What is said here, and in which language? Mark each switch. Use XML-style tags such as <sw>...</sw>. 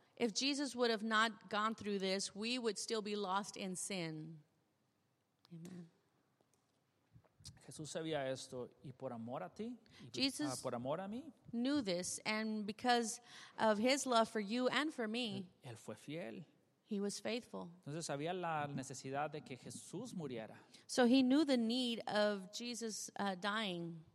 <en>If Jesus would have not gone through this, we would still be lost in sin. Amen.</en> <es>Jesús sabía esto y por amor a ti, Jesus por amor a mí,</es> <en>knew this, and because of his love for you and for me,</en> <es>él fue fiel.</es> <en>He was faithful.</en> <es>Entonces sabía la necesidad de que Jesús muriera.</es> <en>So he knew the need of Jesus dying.</en>